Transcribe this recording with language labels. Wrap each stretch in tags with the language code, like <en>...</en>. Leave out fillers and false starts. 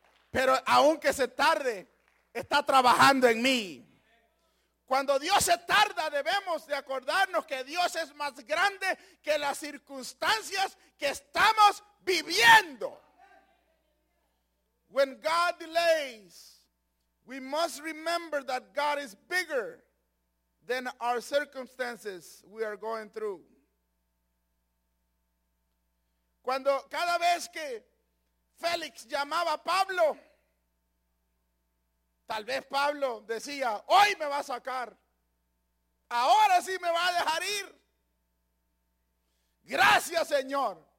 <es>Pero aunque se tarde, está trabajando en mí. Cuando Dios se tarda, debemos de acordarnos que Dios es más grande que las circunstancias que estamos viviendo.</es> <en>When God delays, we must remember that God is bigger than our circumstances we are going through.</en> <es>Cuando cada vez que Félix llamaba a Pablo, tal vez Pablo decía, hoy me va a sacar. Ahora sí me va a dejar ir. Gracias, Señor.</es>